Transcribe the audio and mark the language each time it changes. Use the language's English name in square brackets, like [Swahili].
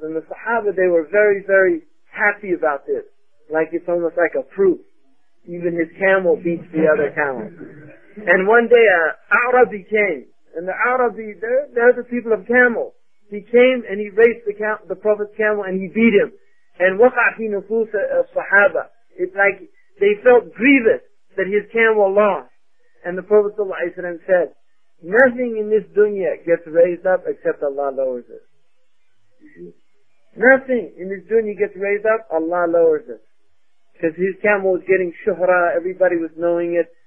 [English] And the Sahaba, they were very, very happy about this. Like it's almost like a proof. Even his camel beats the other camel. And one day an Arabi came. And the Arabi, they're the people of camels. He came and he raced the Prophet's camel and he beat him. And [Arabic] وَقَعْ فِي نُفُوسَ الصَّحَابَ. [English] It's like they felt grievous that his camel lost. And the Prophet ﷺ said, nothing in this dunya gets raised up except Allah lowers it. Nothing in this dunya gets raised up, Allah lowers it. Because his camel was getting shuhra, everybody was knowing it.